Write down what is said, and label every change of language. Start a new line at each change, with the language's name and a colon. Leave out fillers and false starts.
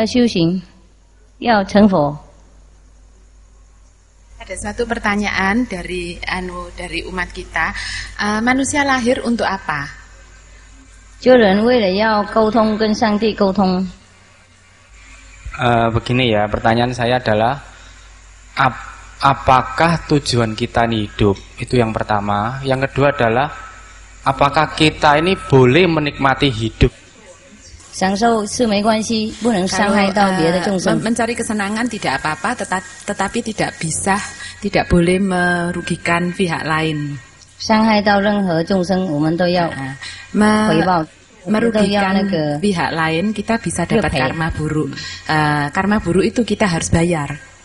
Chinese: 人呢，做人为了要修行，要成佛。
Indonesian: Ada satu pertanyaan dari umat kita, manusia lahir untuk apa?
Chinese: 做人为了要沟通跟上帝沟通。
Indonesian: Begini ya, pertanyaan saya adalah apakah tujuan kita nih hidup? Itu yang pertama. Yang kedua adalah apakah kita ini boleh menikmati hidup?
Chinese: 享受是没关系，不能伤害到别的众生。
Indonesian: Mencari kesenangan tidak apa-apa, tetapi tidak boleh merugikan pihak lain.
Chinese: 伤害到任何众生，我们都要回报。
Indonesian: Merugikan pihak lain, kita bisa dapat karma buruk. Karma buruk itu kita harus bayar.